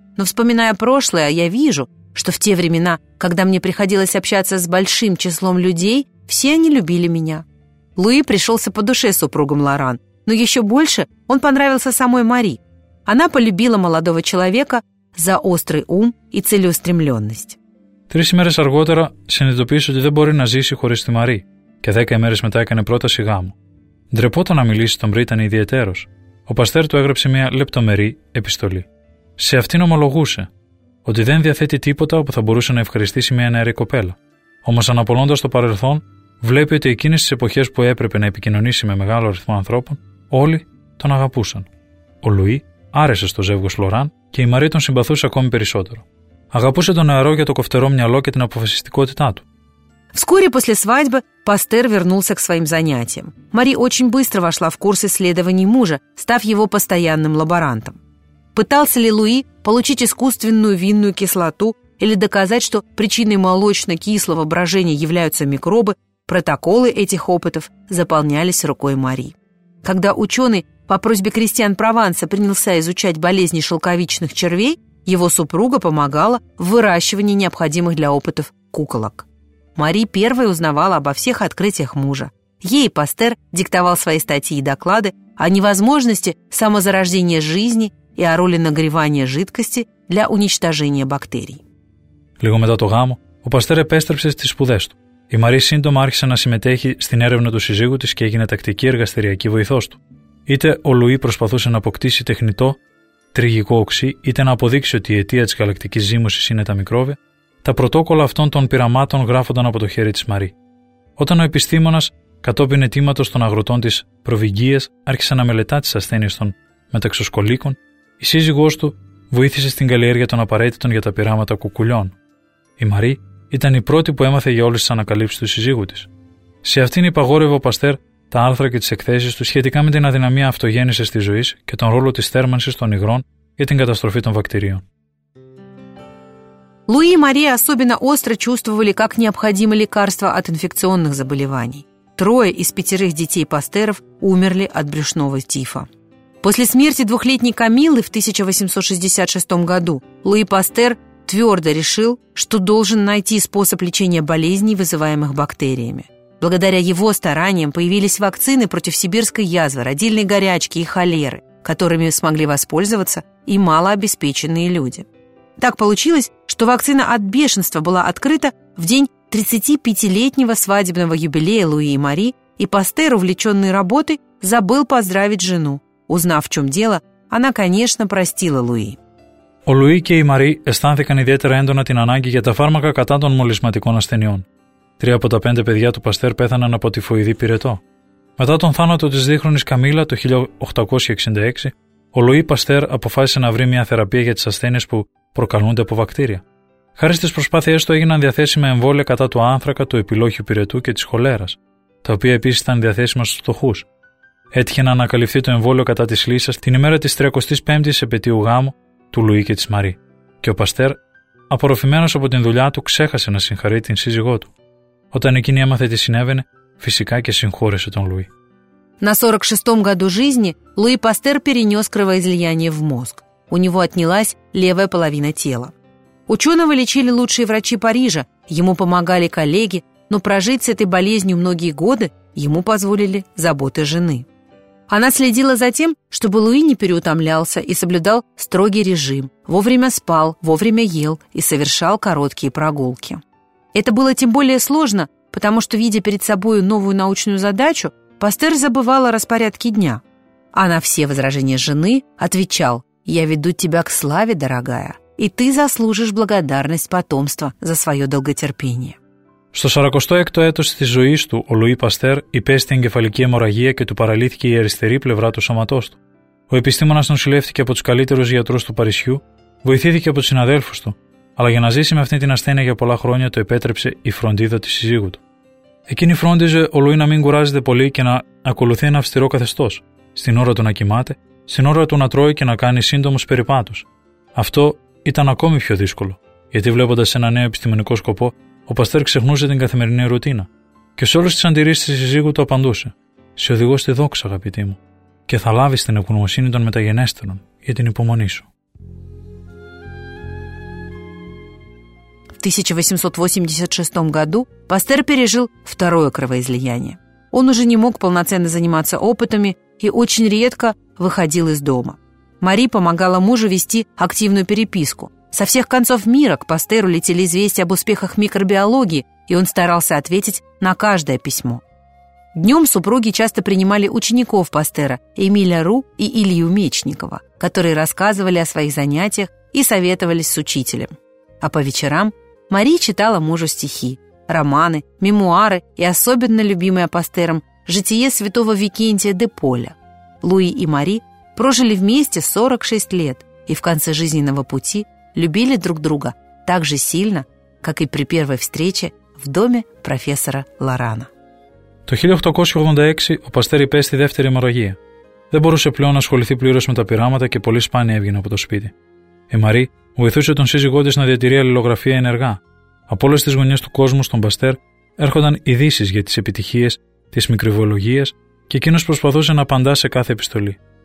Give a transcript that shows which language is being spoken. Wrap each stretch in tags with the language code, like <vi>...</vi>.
<ru>Но вспоминая прошлое, я вижу, что в те времена, когда мне приходилось общаться с большим числом людей, все они любили меня». Луи пришелся по душе супругом Лоран, но еще больше он понравился самой Мари. Она полюбила молодого человека за острый ум и целеустремленность.</ru> <el>Τρεις ημέρες αργότερα συνειδητοποίησε ότι δεν μπορεί να ζήσει χωρίς τη Μαρή και 10 ημέρες μετά έκανε πρόταση γάμου. Ντρεπόταν να μιλήσει στον Πρίτανη ιδιαιτέρως. Ο Παστέρ του έγραψε μια λεπτομερή επιστολή. Σε αυτήν ομολογούσε ότι δεν διαθέτει τίποτα που θα μπορούσε να ευχαριστήσει μια νεαρή κοπέλα. Όμως αναπολώντας το παρελθόν, βλέπει ότι εκείνες τις εποχές που έπρεπε να επικοινωνήσει με μεγάλο αριθμό ανθρώπων, όλοι τον αγαπούσαν. Ο Λουί άρεσε στο ζεύγος Λοράν και η Μαρή τον συμπαθούσε ακόμη περισσότερο. Αγαπούσε τον νεαρό για το κοφτερό μυαλό και την αποφασιστικότητά του.</el> <ru>Вскоре после свадьбы Пастер вернулся к своим занятиям. Мари очень быстро вошла в курс исследований мужа, став его постоянным лаборантом. Пытался ли Луи получить искусственную винную кислоту или доказать, что причиной молочно-кислого брожения являются микробы, протоколы этих опытов заполнялись рукой Мари. Когда ученый по просьбе крестьян Прованса принялся изучать болезни шелковичных червей, его супруга помогала в выращивании необходимых для опытов куколок. Мари первой узнавала обо всех открытиях мужа. Ей Пастер диктовал свои статьи и доклады о невозможности самозарождения жизни и о роли нагревания жидкости для уничтожения бактерий.</ru> <el>Λίγο μετά το γάμο, ο Пастер επέστρεψε στις σπουδές του. Η Μαρή σύντομα άρχισε να συμμετέχει στην έρευνα του σύζυγου της και έγινε τακτική εργαστηριακή βοηθός του. Είτε ο Λουί προσπαθούσε να αποκτήσει τεχνητό τριγικό οξύ, είτε να αποδείξει ότι η αιτία της γαλακτικής ζύμωσης είναι τα μικρόβια, τα πρωτόκολλα αυτών των πειραμάτων γράφονταν από το χέρι της Μαρή. Όταν ο επιστήμονας, κατόπιν αιτήματος των αγροτών της Προβυγγίας, άρχισε να μελετά τις ασθένειες των μεταξοσκολίκων, η σύζυγός του βοήθησε στην καλλιέργεια των απαραίτητων για τα πειράματα κουκουλιών. Η Μαρή ήταν η πρώτη που έμαθε για όλες τις ανακαλύψεις του σύζυγου της. Σε αυτήν υπαγόρευε ο Παστέρ τα άρθρα και τις εκθέσεις του σχετικά με την αδυναμία αυτογέννησης της ζωής και τον ρόλο της θέρμανσης των υγρών για την καταστροφή των βακτηρίων.</el> <ru>Луи и Мария особенно остро чувствовали, как необходимы лекарства от инфекционных заболеваний. Трое из пятерых детей пастеров умерли от брюшного тифа. После смерти двухлетней Камиллы в 1866 году Луи Пастер твердо решил, что должен найти способ лечения болезней, вызываемых бактериями. Благодаря его стараниям появились вакцины против сибирской язвы, родильной горячки и холеры, которыми смогли воспользоваться и малообеспеченные люди. Так получилось, что вакцина от бешенства была открыта в день 35-летнего свадебного юбилея Луи и Мари, и Пастер, увлеченный работой, забыл поздравить жену. Узнав, в чем дело, она, конечно, простила Луи.</ru> <el>Ο Λουί και η Μαρί αισθάνθηκαν ιδιαίτερα έντονα την ανάγκη για τα φάρμακα κατά των μολυσματικών ασθενειών. Τρία από τα πέντε παιδιά του Παστέρ πέθαναν από τη φοειδή πυρετό. Μετά τον θάνατο της δίχρονης Καμίλα το 1866, ο Λουί Παστέρ αποφάσισε να βρει μια θεραπεία για τις ασθένειες που προκαλούνται από βακτήρια. Χάρη στις προσπάθειές του έγιναν διαθέσιμα εμβόλια κατά του άνθρακα, του επιλόχιου πυρετού και της χολέρας, τα οποία επίσης ήταν διαθέσιμα στους φτωχούς. Έτυχε να ανακαλυφθεί το εμβόλιο κατά της λύσας την ημέρα της 35ης επετείου γάμου του Λουί και της Μαρί. Και ο Παστέρ, απορροφημένος από την δουλειά του, ξέχασε να συγχαρεί την σύζυγό του. Όταν εκείνη έμαθε τι συνέβαινε, φυσικά και συγχώρεσε τον Λουί.</el> <ru>На 46-м году жизни Луи Пастер перенес кровоизлияние в мозг. У него отнялась левая половина тела. Ученого лечили лучшие врачи Парижа, ему помогали коллеги, но прожить с этой болезнью многие годы ему позволили заботы жены. Она следила за тем, чтобы Луи не переутомлялся и соблюдал строгий режим, вовремя спал, вовремя ел и совершал короткие прогулки. Это было тем более сложно, потому что, видя перед собой новую научную задачу, Пастер забывал о распорядке дня. А на все возражения жены отвечал: «Я веду тебя к славе, дорогая, и ты заслужишь благодарность потомства за свое долготерпение».</ru> <el>Στο 46ο έτος της ζωής του, ο Λουί Παστέρ υπέστη εγκεφαλική αιμορραγία και του παραλύθηκε η αριστερή πλευρά του σώματός του. Ο επιστήμονας νοσηλεύτηκε από τους καλύτερους γιατρούς του Παρισιού, βοηθήθηκε από τους συναδέλφους του, αλλά για να ζήσει με αυτή την ασθένεια για πολλά χρόνια το επέτρεψε η φροντίδα της σύζυγου του. Εκείνη φρόντιζε ο Λουί να μην κουράζεται πολύ και να ακολουθεί ένα αυστηρό καθεστώς, στην ώρα του να κοιμάται, στην ώρα του να τρώει και να κάνει σύντομους περιπάτους. Αυτό ήταν ακόμη πιο δύσκολο, γιατί βλέποντας ένα νέο επιστημονικό σκοπό, ο Παστέρ ξεχνούσε την καθημερινή ρουτίνα και σε όλες τις αντιρρήσεις της σύζυγου του απαντούσε: «Σε οδηγώ στη δόξα, αγαπητή μου, και θα λάβεις την ευγνωμοσύνη των μεταγενέστερων για την υπομονή σου».</el> <ru>В 1886 году Пастер пережил второе кровоизлияние. Он уже не мог полноценно заниматься опытами и очень редко выходил из дома. Мари помогала мужу вести активную переписку. Со всех концов мира к Пастеру летели известия об успехах микробиологии, и он старался ответить на каждое письмо. Днем супруги часто принимали учеников Пастера, Эмиля Ру и Илью Мечникова, которые рассказывали о своих занятиях и советовались с учителем. А по вечерам Мари читала мужу стихи, романы, мемуары и особенно любимое Пастером житие святого Викентия де Поля. Луи и Мари прожили вместе 46 лет, и в конце жизненного пути любили друг друга так же сильно, как и при первой встрече в доме профессора Лорана.</ru> <el>Το 1886 ο Παστέρ υπέστη δεύτερη αιμορραγία. Δεν μπορούσε πλέον να ασχοληθεί πλήρως με τα πειράματα και πολύ σπάνια έβγαινε από το σπίτι. Η Μαρί βοηθούσε τον σύζυγό της να διατηρεί αλληλογραφία ενεργά. Από όλες τις γωνιές του κόσμου στον Παστέρ έρχονταν ειδήσεις για τις επιτυχίες της μικροβιολογίας και εκείνος προσπαθούσε να απαντά σε κάθε επιστολή.</el>